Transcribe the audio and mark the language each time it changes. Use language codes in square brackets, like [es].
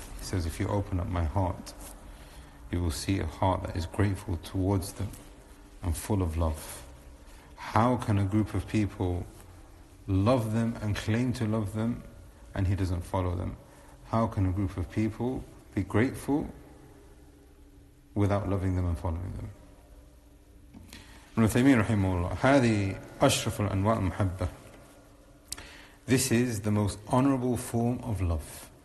[en] He says, if you open up my heart, you will see a heart that is grateful towards them and full of love. How can a group of people love them and claim to love them and he doesn't follow them? How can a group of people be grateful without loving them and following them? [ar] Ibn Uthaymeen rahimahullah, هذه أشرف الأنواع المحبة. [en] This is the most honourable form of love.